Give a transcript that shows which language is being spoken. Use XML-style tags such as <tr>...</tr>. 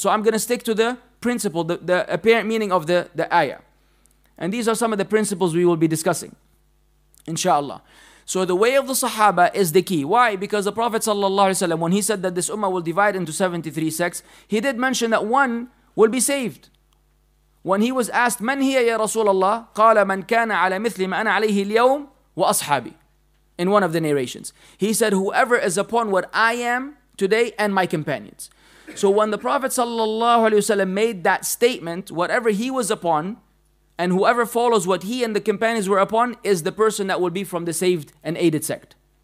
<en>So I'm going to stick to the principle, the apparent meaning of the ayah. And these are some of the principles we will be discussing, inshallah. So the way of the Sahaba is the key. Why? Because the Prophet sallallahu alaihi wasallam, when he said that this ummah will divide into 73 sects, he did mention that one will be saved.</en> <ar>When he was asked, من هي يا رسول الله؟ قال من كان على مثل ما أنا عليه اليوم وأصحابي.</ar> <en>In one of the narrations, he said, whoever is upon what I am today and my companions. So when the Prophet sallallahu alaihi wasallam made that statement, whatever he was upon and whoever follows what he and the companions were upon is the person that will be from the saved and aided sect.</en>